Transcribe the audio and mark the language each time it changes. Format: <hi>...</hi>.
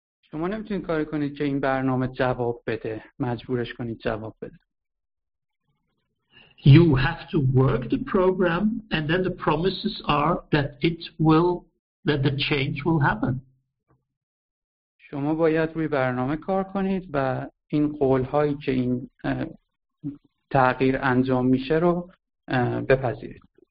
<fa>شما نمیتونید کاری کنید که این برنامه جواب بده، مجبورش کنید جواب بده.</fa> <en>You have to work the program and then the promises are that the change will happen.</en> <fa>شما باید روی برنامه کار کنید و این قولهایی که این تغییر انجام میشه رو بپذیرید.</fa>